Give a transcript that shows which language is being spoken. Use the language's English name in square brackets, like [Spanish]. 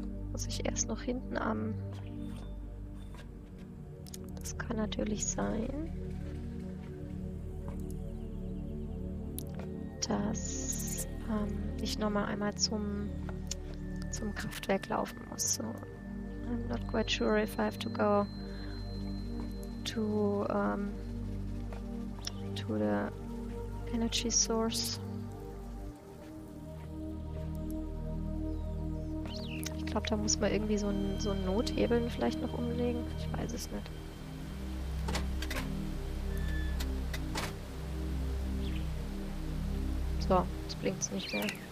[German] Muss ich erst noch hinten am. Das kann natürlich sein, dass ich nochmal einmal zum Kraftwerk laufen muss. So. [English] I'm not quite sure if I have to the energy source. [German] Ich glaube, da muss man irgendwie so ein Nothebeln vielleicht noch umlegen. Ich weiß es nicht. So, jetzt blinkt es nicht mehr.